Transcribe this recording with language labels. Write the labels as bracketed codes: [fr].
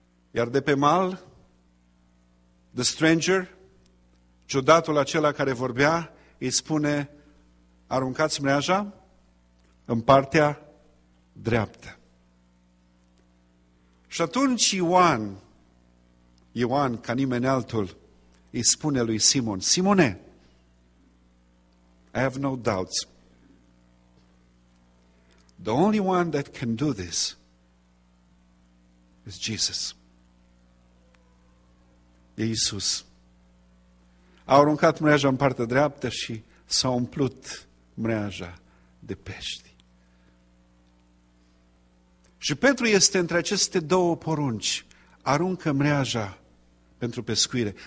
[ro] Iar de pe mal, [en] the stranger, [ro] ciudatul acela care vorbea, îi spune, aruncați mreaja în partea dreaptă. Și atunci Ioan, ca nimeni altul, îi spune lui Simon, Simone, [en] I have no doubts. The only one that can do this is Jesus. [ro] E Iisus. A aruncat mreaja în partea dreaptă și s-a umplut mreaja de pești. Și Petru este între aceste două porunci. Aruncă mreaja pentru pescuire.